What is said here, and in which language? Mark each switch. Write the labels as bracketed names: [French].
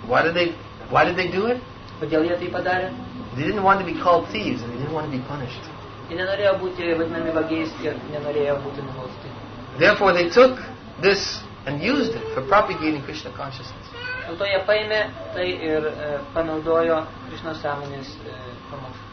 [English] Why did they do it? [Lithuanian] Kodėl jie tai padarė? [English] They didn't want to be called thieves and they didn't want to be punished. [Lithuanian] Jie nenorėjo būti vadinami vagiais ir nenorėjo būti nubausti. [English] Therefore they took this and used it for propagating Krishna consciousness. [Lithuanian] Dėl to jie paėmė tai ir panaudojo Krishna sąmonės pamokslą.